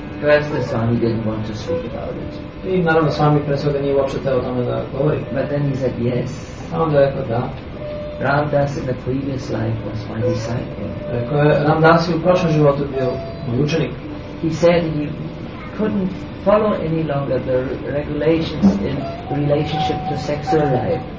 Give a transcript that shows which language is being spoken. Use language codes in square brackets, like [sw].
[en] Krasne Svami didn't want to speak about it. [sr] I naravno Svami pre svega nije uopće teo tome da govori. [en] But then he said yes. [sr] A onda rekao da. [en] Ramdas in the previous life was my disciple. [sr] Rekao je, Ramdas je u prošlom životu bio moj učenik. [en] He said he couldn't follow any longer the regulations in relationship to sexual life.